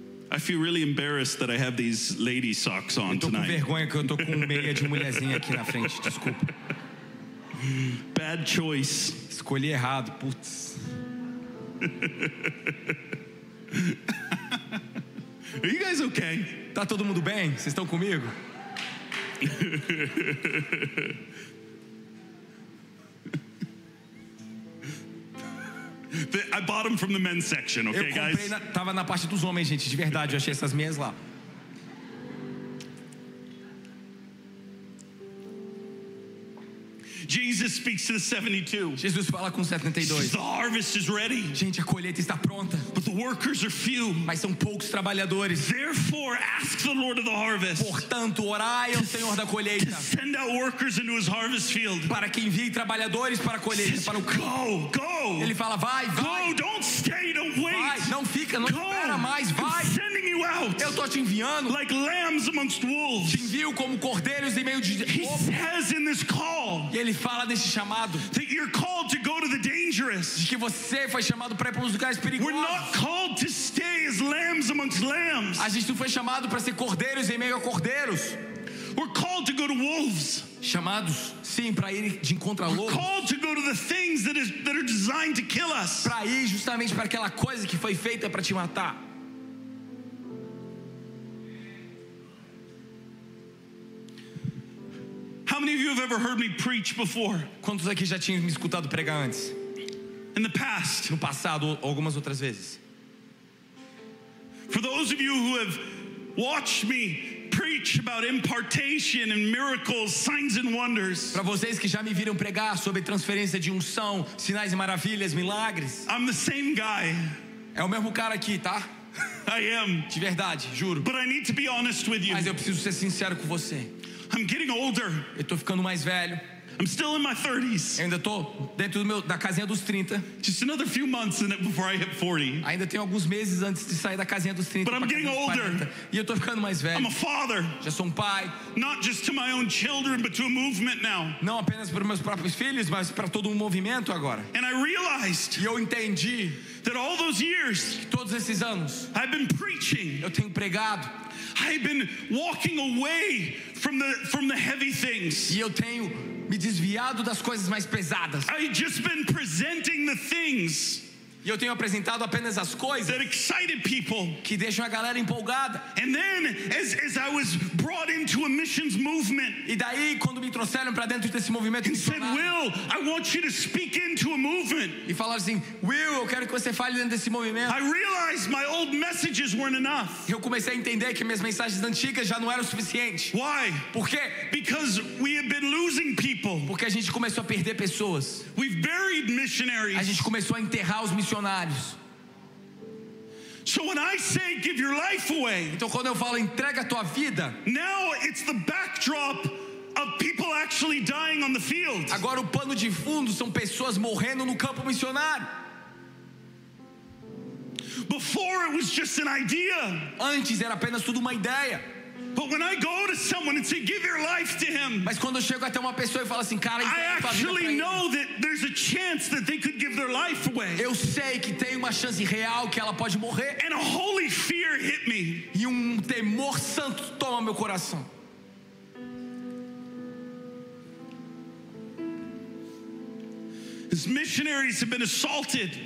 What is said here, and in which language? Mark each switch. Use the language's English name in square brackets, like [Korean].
[English] I feel really embarrassed that I have these lady socks on tonight. [Portuguese] Eu tô com vergonha que eu tô com meia de mulherzinha aqui na frente, desculpa. [English] Bad choice. [Portuguese] Escolhi errado, putz. [English] Are you guys okay? [Portuguese] Tá todo mundo bem? Vocês estão comigo? [English] I bought them from the men's section, okay, guys? [Portuguese] Tava na parte dos homens, gente, de verdade, eu achei essas meias lá. [English] Jesus speaks to the 72. [Portuguese] Jesus fala com 72. [English] The harvest is ready. [Portuguese] Gente, a colheita está pronta. [English] But the workers are few. [Portuguese] Mas são poucos trabalhadores. [English] Therefore, ask the Lord of the harvest. [Portuguese] Portanto, orai ao Senhor da colheita. [English] To send out workers into his harvest field. [Portuguese] Para que envie trabalhadores para a colheita, para o campo. [English] Go, go. [Portuguese] Ele fala, vai, vai. [English] Go, don't stay, don't wait. [Portuguese] Vai, não fica, não [English] go. [Portuguese] Espera mais, vai. [English] I'm sending you out. [Portuguese] Eu estou te enviando. [English] Like lambs amongst wolves. [Portuguese] Te envio como cordeiros em meio de lobos. [English] He says in this call. [Portuguese] Ele fala desse chamado. [English] That you're called to go to the dangerous. [Portuguese] De que você foi chamado para ir para os lugares perigosos. [English] We're not called to stay as lambs amongst lambs. [Portuguese] A gente não foi chamado para ser cordeiros em meio a cordeiros. [English] We're called to go to wolves. [Portuguese] Chamados, sim, para ir de encontro a lobos. [English] We're called to go to the things that are designed to kill us. [Portuguese] Para ir justamente para aquela coisa que foi feita para te matar. [English] How many of you have ever heard me preach before? [Portuguese] Quantos aqui já tinham me escutado pregar antes? [English] In the past. [Portuguese] No passado, algumas outras vezes. [English] For those of you who have watched me preach about impartation and miracles, signs and wonders. [Portuguese] Para vocês que já me viram pregar sobre transferência de unção, sinais e maravilhas, milagres. [English] I'm the same guy. [Portuguese] É o mesmo cara aqui, tá? [English] I am. [Portuguese] De verdade, juro. [English] But I need to be honest with you. [Portuguese] Mas eu preciso ser sincero com você. [English] I'm getting older. [Portuguese] Eu tô ficando mais velho. [English] I'm still in my 30s. [Portuguese] Eu ainda tô dentro do meu da casinha dos 30. [English] Just another few months before I hit 40. [Portuguese] Ainda tenho alguns meses antes de sair da casinha dos 30. [English] But I'm getting older. [Portuguese] E eu tô ficando mais velho. [English] I'm a father. [Portuguese] Já sou um pai. [English] Not just to my own children, but to a movement now. [Portuguese] Não apenas para meus próprios filhos, mas para todo um movimento agora. [English] And I realized. [Portuguese] E eu entendi. [English] That all those years. [Portuguese] Todos esses anos. [English] I've been preaching. [Portuguese] Eu tenho pregado. [English] I've been walking away from the heavy things. [Portuguese] E eu tenho me desviado das coisas mais pesadas. [English] I've just been presenting the things. [Portuguese] E eu tenho apresentado apenas as coisas. [English] That excited people. [Portuguese] Que deixam a galera empolgada. [English] And then, as I was brought into a missions movement. [Portuguese] E daí, quando me trouxeram para dentro desse movimento. [English] And said, Will, I want you to speak into a movement. [Portuguese] E falaram assim, Will, eu quero que você fale dentro desse movimento. [English] I realized my old messages weren't enough. [Portuguese] Eu comecei a entender que minhas mensagens antigas já não eram suficientes. [English] Why? [Portuguese] Por quê? [English] Because we have been losing people. [Portuguese] Porque a gente começou a perder pessoas. [English] We've buried missionaries. [Portuguese] A gente começou a enterrar os missionários. [English] So when I say give your life away, [Portuguese] então quando eu falo entrega a tua vida, [English] now it's the backdrop of people actually dying on the field. [Portuguese] Agora o pano de fundo são pessoas morrendo no campo missionário. [English] Before it was just an idea. [Portuguese] Antes era apenas tudo uma ideia. [English] But when I go to someone and say, "Give your life to him," [Portuguese] mas quando eu chego até uma pessoa e falo assim, cara, [English] I actually know that there's a chance that they could give their life away. [Portuguese] Eu sei que tem uma chance real que ela pode morrer. [English] And a holy fear hit me. [Portuguese] E temor santo toma meu coração. [English] As missionaries have been assaulted.